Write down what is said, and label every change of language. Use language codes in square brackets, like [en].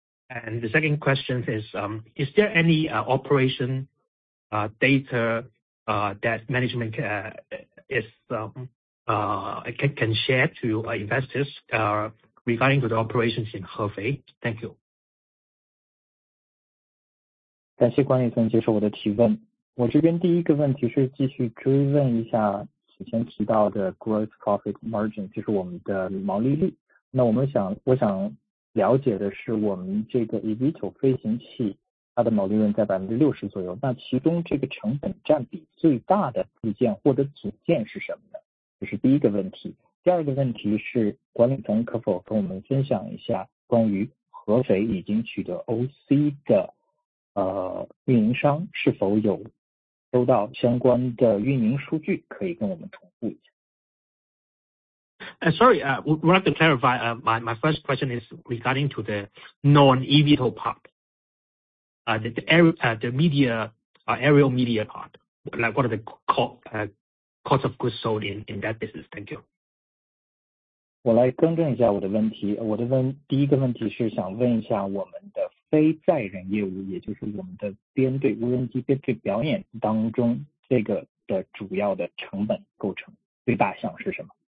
[en] And the second question is there any operation data that management can share to investors regarding to the operations in Hefei? Thank you. [zh] 感谢管理层接受我的提问。我这边第一个问题是继续追问一下此前提到的 [en] gross profit margin， [zh] 就是我们的毛利率。那我想了解的是我们这个 eVTOL 飞行器它的毛利润在 60% 左右，那其中这个成本占比最大的部件或者组件是什么呢？这是第一个问题。第二个问题是管理层可否跟我们分享一下关于合肥已经取得 OC 的运营商是否有收到相关的运营数据，可以跟我们同步一下。 [en] Sorry, we'd like to clarify, my first question is regarding to the non-eVTOL part, aerial media part. Like what are the cost of goods sold in that business? Thank you. [zh] 我来更正一下我的问题。第一个问题是想问一下我们的非载人业务，也就是我们的编队无人机编队表演当中这个的主要的成本构成最大项是什么？